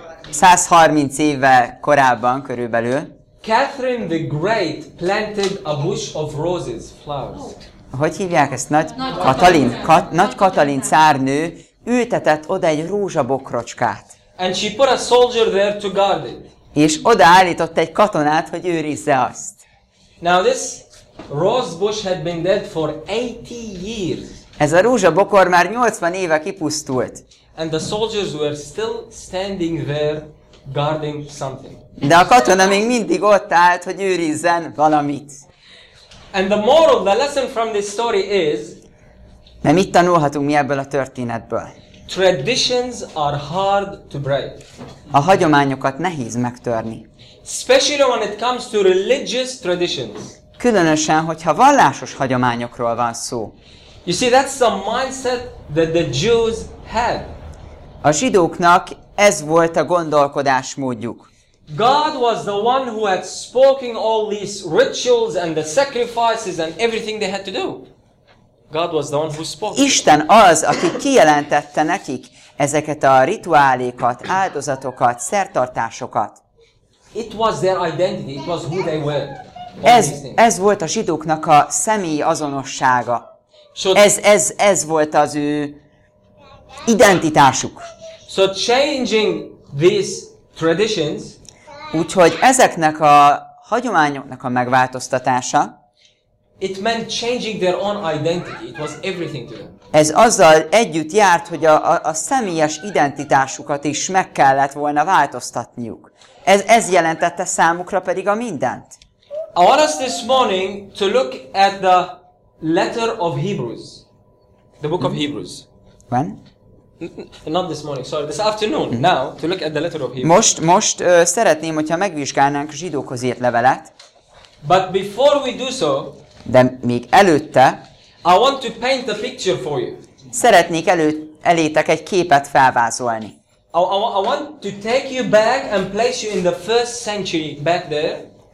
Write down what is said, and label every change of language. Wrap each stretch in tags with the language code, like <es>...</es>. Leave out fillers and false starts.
<hu>130 évvel korábban körülbelül.</hu> <en>Catherine the Great planted a bush of roses, flowers.</en> <hu>Hogy hívják ezt? Nagy Katalin cárnő ültetett oda egy rózsabokrocskát.</hu> <en>And she put a soldier there to guard it.</en> <hu>És odaállított egy katonát, hogy őrizze azt.</hu> <en>Now this rose bush had been dead for 80 years.</en> <hu>Ez a rózsabokor már 80 éve kipusztult.</hu> <en>And the soldiers were still standing there guarding something.</en> <hu>De a katona még mindig ott állt, hogy őrizzen valamit.</hu> <en>And the moral, the lesson from this story is.</en> <hu>De mit tanulhatunk mi ebből a történetből?</hu> <en>Traditions are hard to break.</en> <hu>A hagyományokat nehéz megtörni.</hu> <en>Especially when it comes to religious traditions.</en> <hu>Különösen, hogyha vallásos hagyományokról van szó.</hu> <en>You see, that's the mindset that the Jews had.</en> <hu>A zsidóknak ez volt a gondolkodásmódjuk.</hu> <en>God was the one who had spoken all these rituals and the sacrifices and everything they had to do. God was the one who spoke.</en> <hu>Isten az, aki kijelentette nekik ezeket a rituálékat, áldozatokat, szertartásokat.</hu> <en>It was their identity, it was who they were.</en> <hu>Ez volt a zsidóknak a személyi azonossága. Ez volt az ő identitásuk.</hu> <en>So changing these traditions.</en> <hu>Úgyhogy ezeknek a hagyományoknak a megváltoztatása.</hu> <en>It meant changing their own identity. It was everything to them.</en> <hu>Ez azzal együtt járt, hogy a személyes identitásukat is meg kellett volna változtatniuk. Ez jelentette számukra pedig a mindent.</hu> <en>I want us this morning to look at the letter of Hebrews. The book of Hebrews. When? Not this morning, sorry, this afternoon. Now, to look at the letter of Hebrews.</en> <hu>Most szeretném, hogyha megvizsgálnánk a zsidókhoz írt levelet.</hu> <en>But before we do so,</en> <hu>de még előtte,</hu> <en>I want to paint a picture for you.</en> <hu>Szeretnék elétek egy képet felvázolni.</hu> <en>I want to take you back and place you in the first century back there.</en>